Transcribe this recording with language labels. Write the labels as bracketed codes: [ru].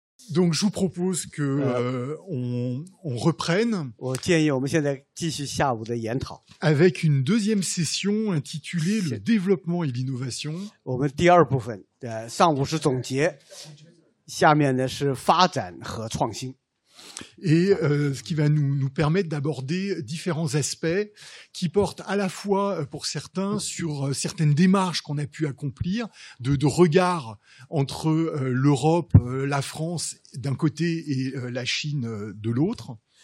[fr] Donc, je vous propose que on reprenne. [zh] 我建议我们现在继续下午的研讨。 [fr] Avec une deuxième session intitulée Le développement et l'innovation. [zh] 我们第二部分, 上午是总结, 下面呢是发展和创新。 [fr] Et ce qui va nous permettre d'aborder différents aspects qui portent à la fois pour certains sur certaines démarches qu'on a pu accomplir, de regard entre l'Europe, la France d'un côté et la Chine de l'autre.